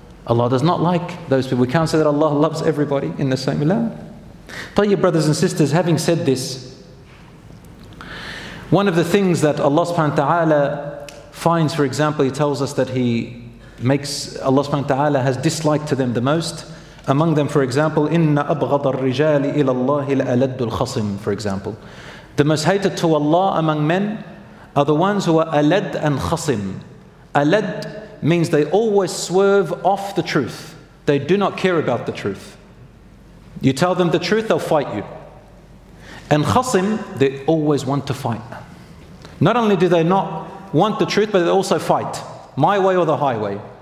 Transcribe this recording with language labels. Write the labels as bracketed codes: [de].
[en] Allah does not like those people. We can't say that Allah loves everybody in the same land. Tayyib, brothers and sisters, having said this, one of the things that Allah subhanahu wa ta'ala finds, for example, He tells us that Allah subhanahu wa ta'ala has disliked to them the most. [ar] Among them, for example, إِنَّ أَبْغَضَ الرِّجَالِ إِلَى اللَّهِ الْأَلَدُّ الْخَصِمِ. [en] For example, the most hated to Allah among men are the ones who are alad and khasim. Alad means they always swerve off the truth. They do not care about the truth. You tell them the truth, they'll fight you. And khasim, they always want to fight. Not only do they not want the truth, but they also fight. My way or the highway.